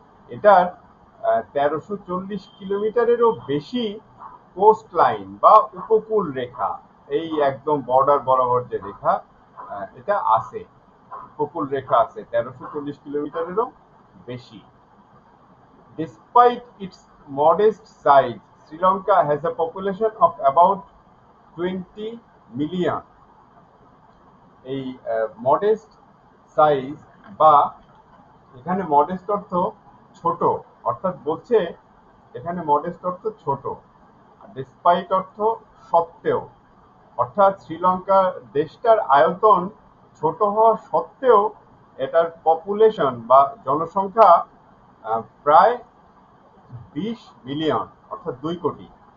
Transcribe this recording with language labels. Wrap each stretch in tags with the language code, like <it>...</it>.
<bn>এটার 1340 কিলোমিটারেরও বেশি coast line বা উপকূল রেখা, এই একদম বর্ডার বরাবর যে রেখা এটা আছে, উপকূল রেখা আছে 1340 কিলোমিটারেরও বেশি।</bn> <en>Despite its modest size, Sri Lanka has a population of about 20 million.</en> <bn>এই মডেস্ট সাইজ বা এখানে মডেস্ট অর্থ ছোট, অর্থাৎ বলছে এখানে মডেস্ট অর্থ ছোট, ডিসপাইট অর্থ সত্ত্বেও, অর্থাৎ শ্রীলঙ্কা দেশটার আয়তন ছোট হওয়া সত্ত্বেও এটার পপুলেশন বা জনসংখ্যা প্রায় 20 মিলিয়ন, অর্থাৎ 2 কোটি।</bn>